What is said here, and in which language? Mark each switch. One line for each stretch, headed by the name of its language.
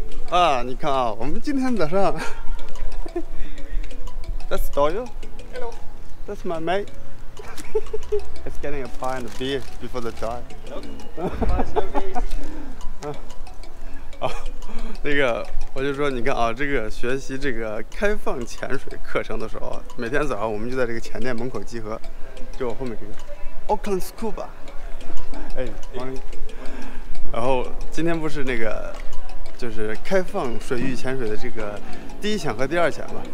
Chinese: 啊，你看啊，我们今天早上
English: That's Doyle. Hello. That's my mate. It's getting a pie and a beer before the drive. Nope.
Chinese: 那个，我就说，你看啊，这个学习这个开放潜水课程的时候，每天早上我们就在这个潜店门口集合，就我后面这个 Auckland School 吧。哎，欢迎。然后今天不是那个，就是开放水域潜水的这个第一潜和第二潜嘛。